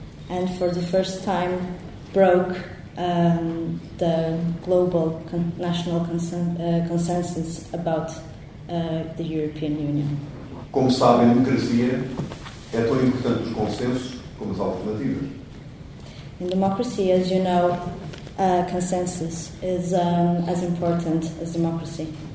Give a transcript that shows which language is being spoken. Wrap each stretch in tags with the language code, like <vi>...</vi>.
<en>And for the first time broke the global national consensus about the European Union.</en> <pt>Como sabem, a democracia é tão importante os consensos como as alternativas.</pt> <en>In democracy, as you know, consensus is as important as democracy.</en>